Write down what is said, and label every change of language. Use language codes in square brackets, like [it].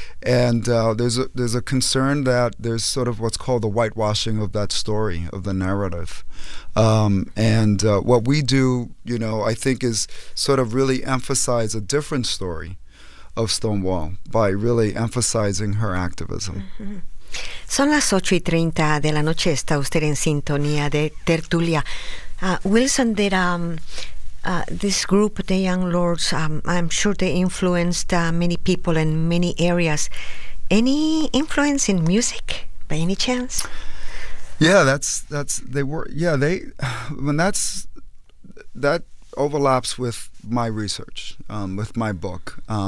[en] And there's a concern that there's sort of what's called the whitewashing of that story, of the narrative. What we do, you know, I think is sort of really emphasize a different story of Stonewall by really emphasizing her activism. [es] Son las 8:30 de la noche, está usted en sintonía de Tertulia. [en] Wilson, did this group, the Young Lords, I'm sure they influenced many people in many areas. Any influence in music by any chance? Yeah, that overlaps with my research, with my book.